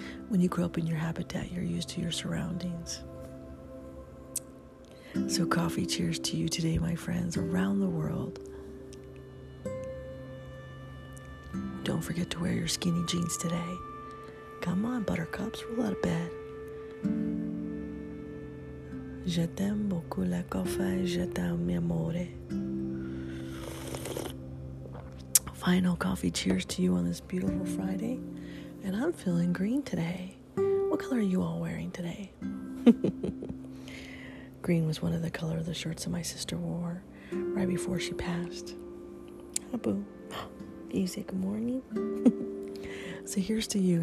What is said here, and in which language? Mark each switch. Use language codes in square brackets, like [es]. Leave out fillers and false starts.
[en] When you grow up in your habitat, you're used to your surroundings. So coffee cheers to you today, my friends, around the world. Don't forget to wear your skinny jeans today. Come on, buttercups, roll out of bed. [fr] Je t'aime beaucoup le café, je t'aime [it] mi amore. [en] Final coffee cheers to you on this beautiful Friday. And I'm feeling green today. What color are you all wearing today? Green was one of the color of the shirts that my sister wore right before she passed. Haboo. Easy, good morning. So here's to you.